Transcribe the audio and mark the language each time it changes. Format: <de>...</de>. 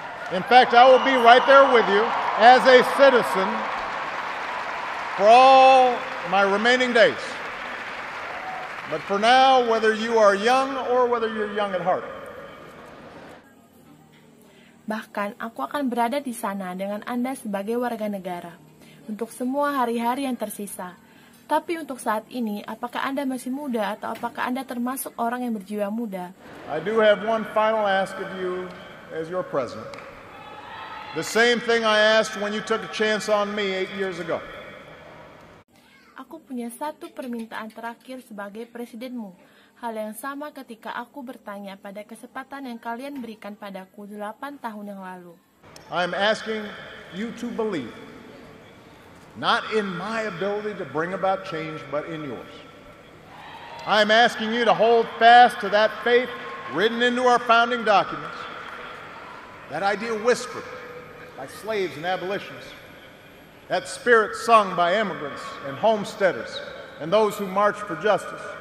<en>In fact, I will be right there with you as a citizen for all my remaining days. But for now, whether you are young or whether you're young at heart.</en> <id>Bahkan aku akan berada di sana dengan Anda sebagai warga negara untuk semua hari-hari yang tersisa. Tapi untuk saat ini, apakah Anda masih muda atau apakah Anda termasuk orang yang berjiwa muda?</id> <en>I do have one final ask of you as your president. The same thing I asked when you took a chance on me 8 years ago.</en> <id>Aku punya satu permintaan terakhir sebagai presidenmu. Hal yang sama ketika aku bertanya pada kesempatan yang kalian berikan padaku 8 tahun yang lalu.</id> <en>I'm asking you to believe, not in my ability to bring about change, but in yours. I'm asking you to hold fast to that faith written into our founding documents, that idea whispered by slaves and abolitionists, that spirit sung by immigrants and homesteaders and those who marched for justice.</en>